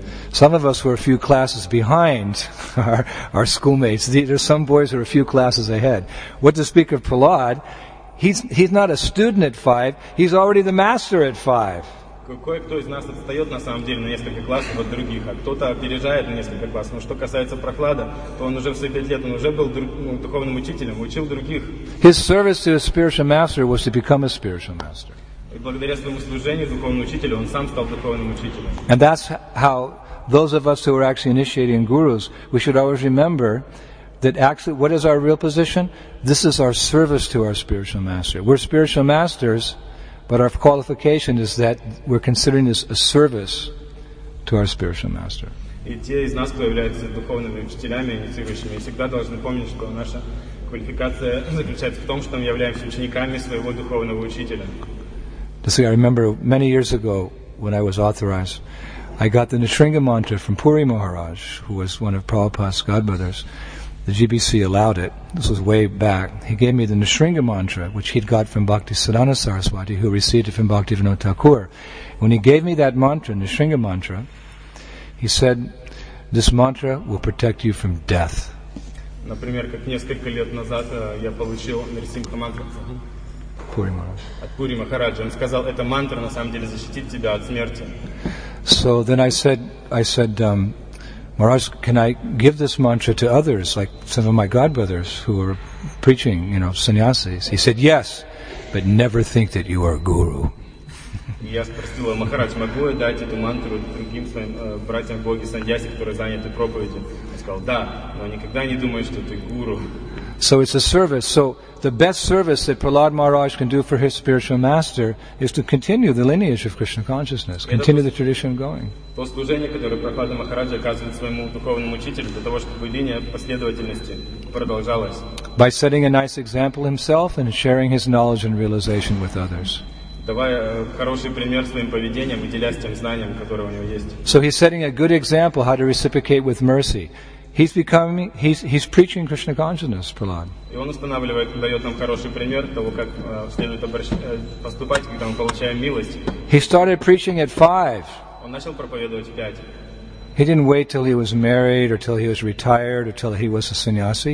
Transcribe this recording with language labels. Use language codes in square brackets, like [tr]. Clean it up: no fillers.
[en] Some of us were a few classes behind our schoolmates. There's some boys who are a few classes ahead. What to speak of Prahlad, he's not a student at 5, he's already the master at 5. [ru] Кое-кто из нас отстает на самом деле на несколько классов от других, а кто-то опережает на несколько классов. Но что касается Прахлада, то он уже в свои 5 лет, он уже был духовным учителем, учил других. [en] His service to his spiritual master was to become a spiritual master. [ru] И благодаря своему служению духовному учителю, он сам стал духовным учителем. [en] And that's how those of us who are actually initiating gurus, we should always remember that actually, what is our real position? This is our service to our spiritual master. We're spiritual masters, But our qualification is that we're considering this a service to our spiritual master. [ru] И те из нас, кто является духовными учителями, инициирующими, всегда должны помнить, что наша квалификация заключается в том, что мы являемся учениками своего духовного учителя. [en] See, I remember many years ago when I was authorized, I got the Nisringa mantra from Puri Maharaj, who was one of Prabhupada's godbrothers. The GBC allowed it. This was way back. He gave me the Nisringa mantra, which he'd got from Bhakti Siddhanta Saraswati, who received it from Bhaktivinoda Thakur. When he gave me that mantra, Nisringa mantra, he said, "This mantra will protect you from death." [ru] Например, как несколько лет назад я получил Нисринга мантру от Пури Махараджа. Он сказал, эта мантра на самом деле защитит тебя от смерти. [en] So then I said, Maharaj, can I give this mantra to others, like some of my godbrothers who are preaching, you know, sannyasis? He said, yes, but never think that you are a guru. [ru] Я спросил его, Махарадж, могу я дать эту мантру другим своим братьям боги саньяси, которые заняты проповедью? Он сказал, да, но никогда не думай, что ты гуру. [en] So it's a service. So the best service that Prahlad Maharaj can do for his spiritual master is to continue the lineage of Krishna consciousness, continue the tradition going. [ru] То служение, которое Прахлада Махараджа оказывает своему духовному учителю, для того, чтобы линия последовательности продолжалась. [en] By setting a nice example himself and sharing his knowledge and realization with others. [ru] Давая хороший пример своим поведением и делясь тем знанием, которое у него есть. [en] So he's setting a good example how to reciprocate with mercy. He's preaching Krishna consciousness, Prahlad. [ru] И он устанавливает, дает нам хороший пример того, как следует поступать, когда мы получаем милость. [en] He started preaching at 5. [ru] Он начал проповедовать в 5. [en] He didn't wait till he was married or till he was retired or till he was a sannyasi.